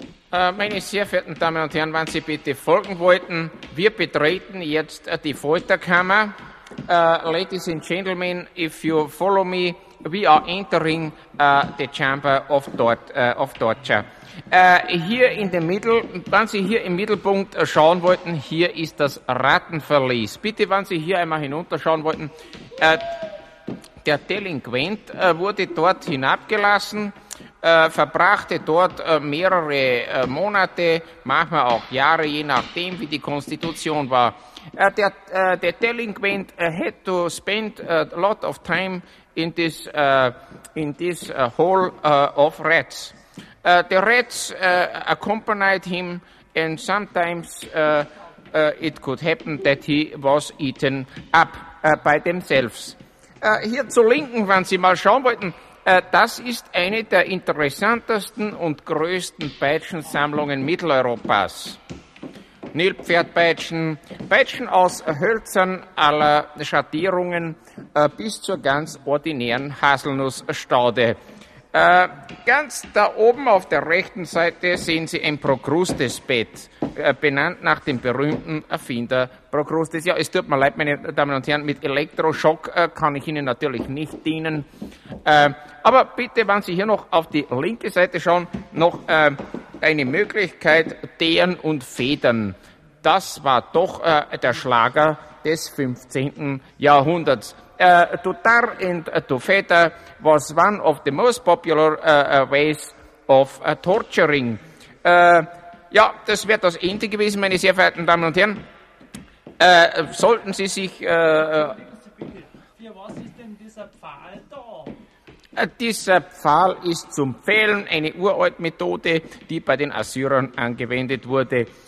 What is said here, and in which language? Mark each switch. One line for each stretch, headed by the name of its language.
German: Meine sehr verehrten Damen und Herren, wenn Sie bitte folgen wollten, wir betreten jetzt die Folterkammer.
English: Ladies and gentlemen, if you follow me, we are entering the chamber of torture.
German: Hier in der Mitte, wenn Sie hier im Mittelpunkt schauen wollten, hier ist das Rattenverlies. Bitte, wenn Sie hier einmal hinunterschauen wollten, der Delinquent wurde dort hinabgelassen, verbrachte dort mehrere Monate, manchmal auch Jahre, je nachdem, wie die Konstitution war.
English: Der Delinquent had to spend a lot of time in this hall of rats. The rats accompanied him, and sometimes it could happen that he was eaten up by themselves.
German: Hier zur Linken, wenn Sie mal schauen wollten, das ist eine der interessantesten und größten Peitschensammlungen Mitteleuropas. Nilpferdpeitschen, Peitschen aus Hölzern aller Schattierungen bis zur ganz ordinären Haselnussstaude. Ganz da oben auf der rechten Seite sehen Sie ein Prokrustesbett, benannt nach dem berühmten Erfinder Prokrustes. Ja, es tut mir leid, meine Damen und Herren, mit Elektroschock kann ich Ihnen natürlich nicht dienen. Aber bitte, wenn Sie hier noch auf die linke Seite schauen, noch eine Möglichkeit, Dehren und Federn. Das war doch der Schlager des 15. Jahrhunderts.
English: To tar and to feather was one of the most popular ways of torturing.
German: Ja, das wäre das Ende gewesen, meine sehr verehrten Damen und Herren. Sollten Sie sich... Für was ist denn dieser Pfahl da? Dieser Pfahl ist zum Pfählen, eine uralte Methode, die bei den Assyrern angewendet wurde.